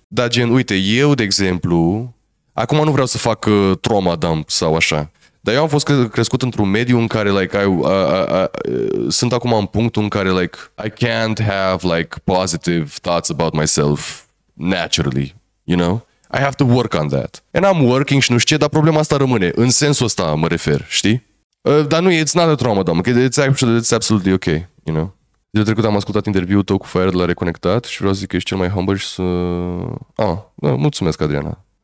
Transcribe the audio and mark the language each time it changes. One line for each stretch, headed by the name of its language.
Romanian: Dar gen, uite, eu, de exemplu, acum nu vreau să fac trauma dump sau așa, dar eu am fost crescut într-un mediu în care, like, sunt acum în punctul în care, like,
English: I can't have, like, positive thoughts about myself naturally,
Romanian: you know?
English: I have to work on that. And I'm working
Romanian: și nu știu ce, dar problema asta rămâne. În sensul ăsta mă refer, știi? Dar nu,
English: it's not a trauma, doamnă, it's absolutely ok, you know?
Romanian: Zilele trecut am ascultat interviul tău cu Fire de la Reconectat și vreau să zic că ești cel mai humble și să... mulțumesc, Adriana.